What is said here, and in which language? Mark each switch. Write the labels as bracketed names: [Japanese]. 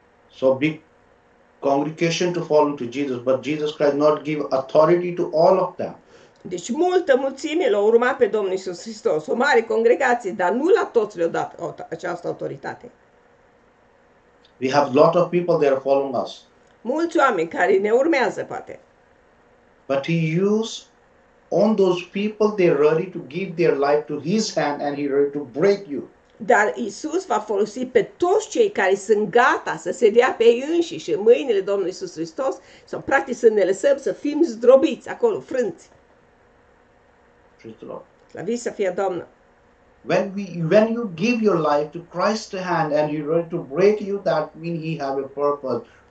[English] So big congregation to follow to Jesus, but Jesus Christ not give authority to all of them. [Romanian] Deci multă mulțime l-a urmat pe Domnul Iisus Hristos, o mare congregație, dar nu la toți le-a dat această autoritate. [English] We have lot of people that are following us. [Romanian] Mulți oameni care ne urmează, poate. [English] But he use on those people they are ready to give their life to his hand and he ready to break you. [Romanian] Dar Iisus va folosi pe toți cei care sunt gata să se dea pe ei înșiși în mâinile Domnului Iisus Hristos, sau practic să ne lăsăm să fim zdrobiți acolo, frânți. [English] Praise the Lord. [Romanian] Slăviți să fie Domnul! [English] When you give your life to Christ's hand and he ready to break you, that mean he have a purpose.